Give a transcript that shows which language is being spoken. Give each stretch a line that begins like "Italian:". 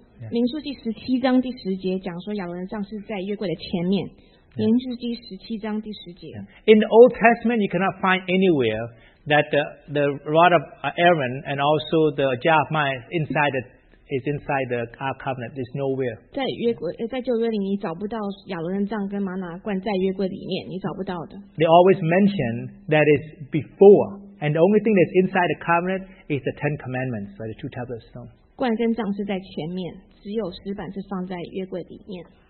Chinese: 民数记十七章第十节讲说亚伦的杖是在约柜的前面。民数记十七章第十节。
English: In the Old Testament, you cannot find anywhere that the rod of Aaron and also the jar of manna is inside the Ark Covenant. There's nowhere.
Chinese: 在约柜，在旧约里，你找不到亚伦的杖跟玛拿罐在约柜里面，你找不到的。
English: They always mention that it's before, and the only thing that's inside the covenant is the Ten Commandments, right, the two tablets of stone.
Chinese: 罐跟杖是在前面，只有石板是放在约柜里面。